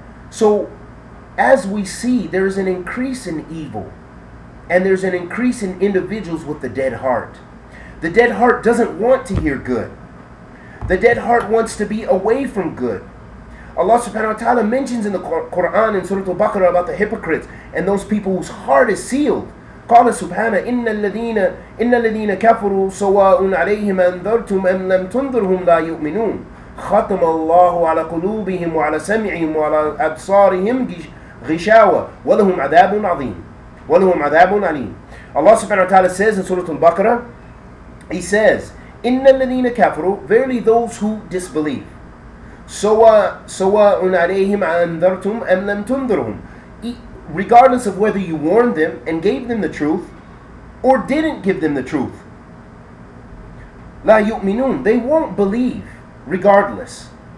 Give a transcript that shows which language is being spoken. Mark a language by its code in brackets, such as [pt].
[en] So, as we see, there is an increase in evil, and there's an increase in individuals with the dead heart. The dead heart doesn't want to hear good. The dead heart wants to be away from good. Allah subhanahu wa ta'ala mentions in the Quran in Surah Al-Baqarah about the hypocrites and those people whose heart is sealed. [ar] قال سبحانه إن الذين كفروا سواء عليهم أنذرتم أم لم تنذرهم لا يؤمنون ختم الله على قلوبهم وعلى سمعهم وعلى أبصارهم غشاوة ولهم عذاب عظيم ولهم عذاب عليم. [en] Allah subhanahu wa ta'ala says in Surah Al-Baqarah, He says, [ar] إن الذين كفروا, [en] verily those who disbelieve, [ar] سواء عليهم أنذرتم أم لم تنذرهم, [en] regardless of whether you warned them and gave them the truth or didn't give them the truth, [ar] لا يؤمنون, [en] they won't believe regardless.